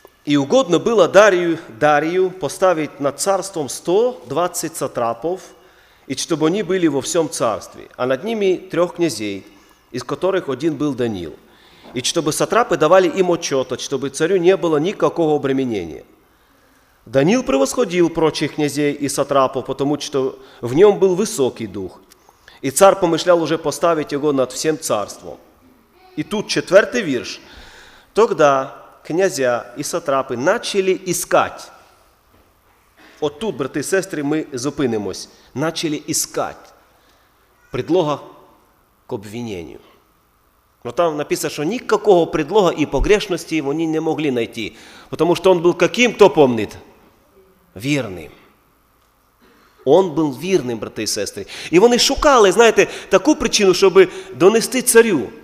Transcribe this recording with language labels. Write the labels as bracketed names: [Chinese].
[Ukrainian] І угодно було Дарію поставити над царством 120 сатрапов, і щоб вони були во всьому царстві, а над ними 3 князей, із яких один був Даніл. І щоб сатрапи давали їм отчет, щоб царю не було ніякого обременення. [Russian] Даниил превосходил прочих князей и сатрапов, потому что в нем был высокий дух. И царь помышлял уже поставить его над всем царством. И тут четвертый вирш. Тогда князя и сатрапы начали искать. [Ukrainian] От тут, брати і сестри, ми зупинимось. [Russian] Начали искать предлога к обвинению. Но там написано, что никакого предлога и погрешности они не могли найти. Потому что он был каким, кто помнит? Верным. Он был верным, [Ukrainian] брати і сестри. [Russian] И они шукали, знаете, такую причину, чтобы донести царю.